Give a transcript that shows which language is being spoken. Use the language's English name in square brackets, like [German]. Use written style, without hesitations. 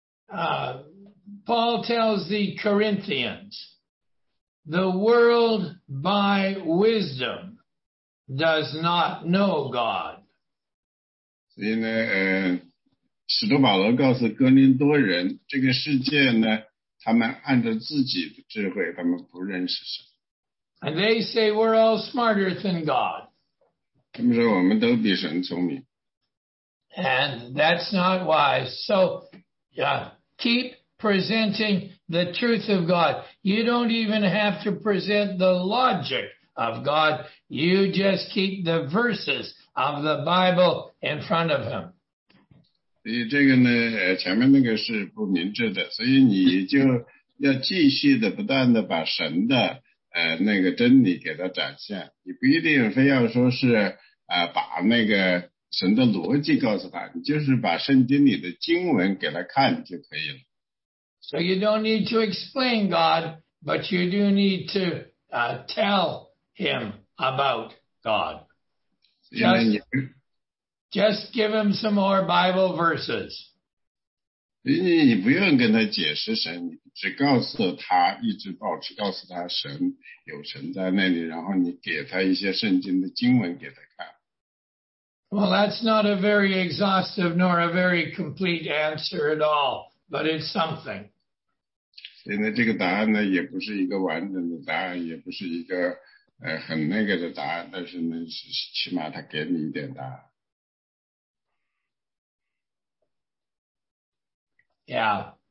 [English] Paul tells the Corinthians, the world by wisdom does not know God. [Chinese] 所以呢，使徒保罗告诉哥林多人，这个世界呢，他们按照自己的智慧，他们不认识神。 [English] And they say we're all smarter than God. [Chinese] 他们说我们都比神聪明。 [English] And that's not wise. So, keep presenting the truth of God. You don't even have to present the logic of God. You just keep the verses of the Bible in front of him. [Chinese] 所以这个呢，前面那个是不明智的，所以你就要继续的不断的把神的那个真理给他展现，你不一定非要说是把那个神的逻辑告诉他，你就是把圣经里的经文给他看就可以了。 [English] So you don't need to explain God, but you do need to tell him about God. Just give him some more Bible verses. [Chinese] 你不用跟他解释神，你只告诉他，一直保持告诉他神有神在那里，然后你给他一些圣经的经文给他看。 [English] Well, that's not a very exhaustive nor a very complete answer at all, but it's something. [Chinese] 所以呢，这个答案呢，也不是一个完整的答案，也不是一个很那个的答案，但是呢，起码他给你一点答案。 [English] Yeah.